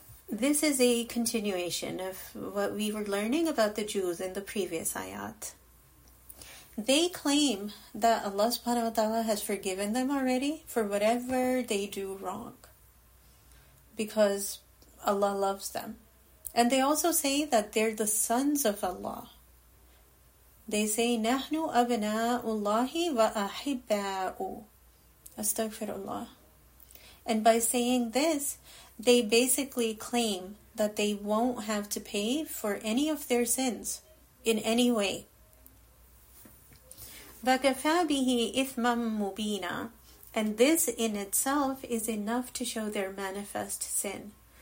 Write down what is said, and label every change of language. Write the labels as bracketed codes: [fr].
[en] This is a continuation of what we were learning about the Jews in the previous ayat. They claim that Allah subhanahu wa ta'ala has forgiven them already for whatever they do wrong, because Allah loves them. And they also say that they're the sons of Allah. They say, [ar] نَحْنُ أَبْنَاءُ اللَّهِ وَأَحِبَّاءُ. Astaghfirullah. [en] And by saying this, they basically claim that they won't have to pay for any of their sins in any way. [ar] وَكَفَى بِهِ إِثْمًا مُبِينًا. [en] And this in itself is enough to show their manifest sin.